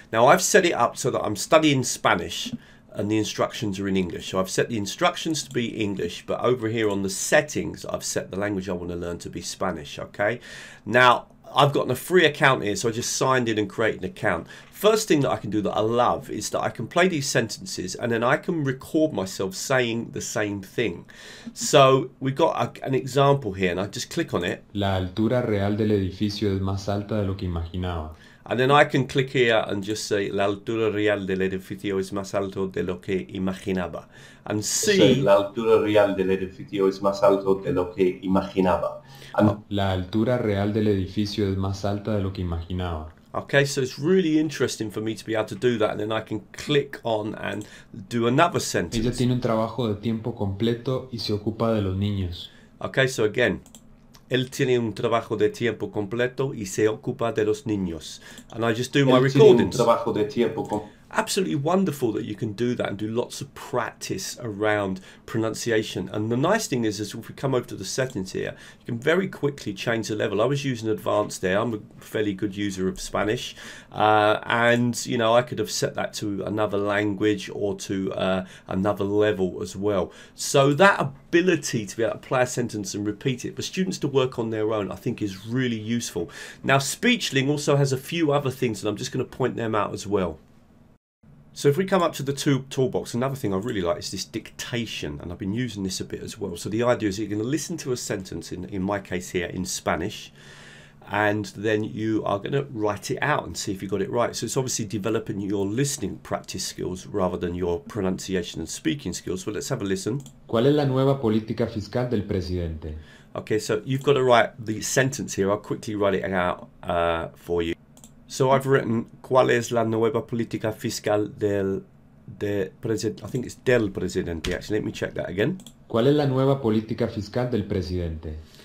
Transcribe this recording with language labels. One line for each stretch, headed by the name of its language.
English: Now, I've set it up so that I'm studying Spanish and the instructions are in English. So I've set the instructions to be English, but over here on the settings, I've set the language I want to learn to be Spanish, okay? Now, I've gotten a free account here, so I just signed in and created an account. First thing that I can do that I love is that I can play these sentences and then I can record myself saying the same thing. So we've got an example here and I just click on it.
Spanish: La altura real del edificio es más alta de lo que imaginaba.
English: And then I can click here and just say,
Spanish: la altura real del edificio es más alto de lo que imaginaba.
English: And see. So,
Spanish: la altura real del edificio es más alto de lo que imaginaba. La altura real del edificio es más alta de lo que imaginaba.
English: Okay, so it's really interesting for me to be able to do that. And then I can click on and do another sentence.
Spanish: Ella tiene un trabajo de tiempo completo y se ocupa de los niños.
English: Okay, so again.
Spanish: Él tiene un trabajo de tiempo completo y se ocupa de los niños.
English: And I just do my recordings.
Spanish: Tiene un trabajo de tiempo
English: Absolutely wonderful that you can do that and do lots of practice around pronunciation. And the nice thing is if we come over to the settings here, you can very quickly change the level. I was using advanced there. I'm a fairly good user of Spanish. And, you know, I could have set that to another language or to another level as well. So that ability to be able to play a sentence and repeat it for students to work on their own, I think is really useful. Now, SpeechLing also has a few other things, and I'm just going to point them out as well. So if we come up to the toolbox, another thing I really like is this dictation, and I've been using this a bit as well. So the idea is you're going to listen to a sentence, in my case here, in Spanish, and then you are going to write it out and see if you got it right. So it's obviously developing your listening practice skills rather than your pronunciation and speaking skills. But let's have a listen.
Spanish: ¿Cuál es la nueva política fiscal del presidente?
English: Okay, so you've got to write the sentence here. I'll quickly write it out for you. So I've written,
Spanish: ¿cuál es la nueva política fiscal del presidente?
English: I think it's del presidente, actually. Let me check that again.
Spanish: ¿Cuál es la nueva política fiscal del presidente?